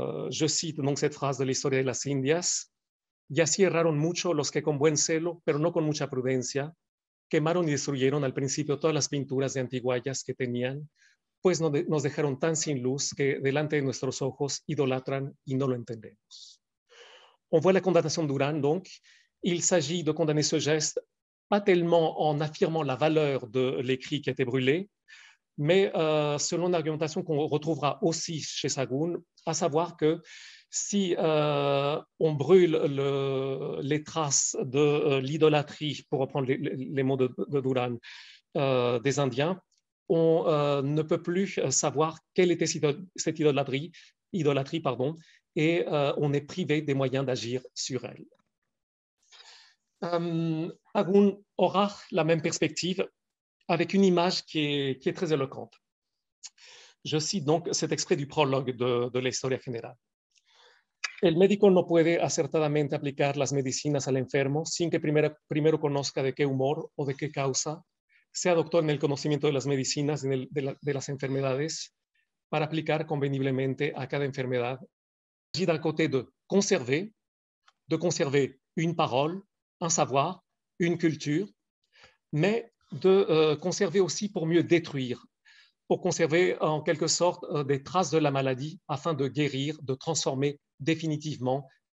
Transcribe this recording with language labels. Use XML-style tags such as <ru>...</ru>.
<fr>Je cite donc cette phrase de l'Historia de las Indias.</fr> <es>Y así erraron mucho los que con buen celo, pero no con mucha prudencia, quemaron y destruyeron al principio todas las pinturas de antiguallas que tenían, pues nos dejaron tan sin luz que delante de nuestros ojos idolatran y no lo entendemos.</es> <fr>On voit la condamnation de Duran, donc. Il s'agit de condamner ce geste, pas tellement en affirmant la valeur de l'écrit qui a été brûlé, mais selon une argumentation qu'on retrouvera aussi chez Sagoun, à savoir que si on brûle les traces de l'idolâtrie, pour reprendre les mots de Duran, des Indiens, on ne peut plus savoir quelle était cette idolâtrie pardon, et on est privé des moyens d'agir sur elle. Agun aura la même perspective avec une image qui est très éloquente. Je cite donc cet extrait du prologue de l'Historia General.</fr> <es>El médico no puede acertadamente aplicar las medicinas al enfermo sin que primero conozca de qué humor o de qué causa sea doctor en el conocimiento de las medicinas y de las enfermedades para aplicar conveniblemente a cada enfermedad.</es> <fr>Il s'agit d'un côté de conserver une parole, un savoir, une culture, mais de conserver aussi pour mieux détruire, pour conserver en quelque sorte des traces de la maladie afin de guérir, de transformer définitivement.</fr>